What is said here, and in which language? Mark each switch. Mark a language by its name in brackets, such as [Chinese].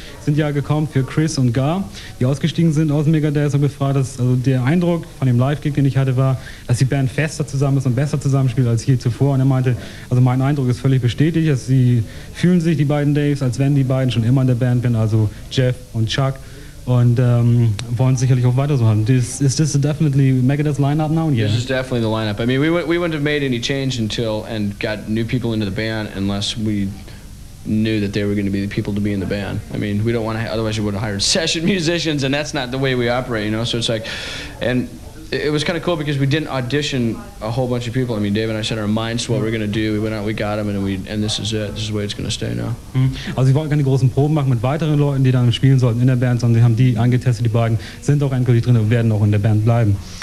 [German] Sind ja gekommen für Chris und Gar, die ausgestiegen sind aus Megadeth und gefragt, dass also der Eindruck von dem Live-Gig, den ich hatte, war, dass die Band fester zusammen ist und besser zusammenspielt als je zuvor. Und er meinte, also mein Eindruck ist völlig bestätigt, dass sie fühlen sich, die beiden Daves, als wenn die beiden schon immer in der Band wären, also Jeff und Chuck, und wollen sicherlich auch weiter so haben. [English] Is this definitely Megadeth's lineup now? Yeah. This is definitely the lineup. I mean, we wouldn't have made any change until and got new people into the band unless we knew that they were going to be the people to be in the band. I mean, we don't want to, otherwise we would have hired session musicians, and that's not the way we operate, you know? So it's like, and it was kind of cool because we didn't audition a whole bunch of people. I mean, Dave and I set our minds to what we're going to do. We went out, we got them, and this is it. This is the way it's going to stay now. [German] Also, sie wollten keine großen Proben machen mit weiteren Leuten, die dann spielen sollten in der Band, sondern sie haben die angetestet, die beiden sind auch endgültig drin und werden auch in der Band bleiben.